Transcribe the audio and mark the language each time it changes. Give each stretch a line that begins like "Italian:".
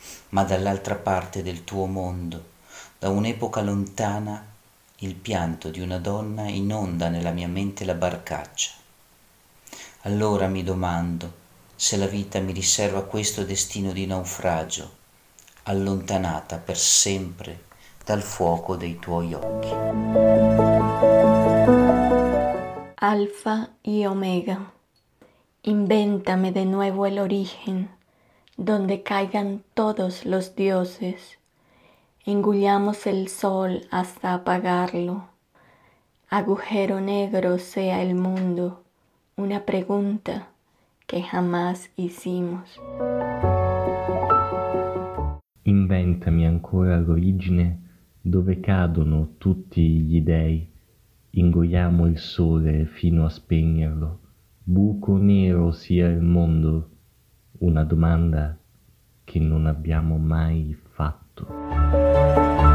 Italian: Ma dall'altra parte del tuo mondo, da un'epoca lontana, il pianto di una donna inonda nella mia mente la barcaccia. Allora mi domando se la vita mi riserva questo destino di naufragio, allontanata per sempre dal fuoco dei tuoi occhi.
Spanish: Alfa y Omega, invéntame de nuevo el origen, donde caigan todos los dioses. Engullamos el sol hasta apagarlo. Agujero negro sea el mundo, una pregunta que jamás hicimos.
Italian: Inventami ancora l'origine dove cadono tutti gli dèi. Ingoiamo il sole fino a spegnerlo. Buco nero sia il mondo, una domanda che non abbiamo mai fatto.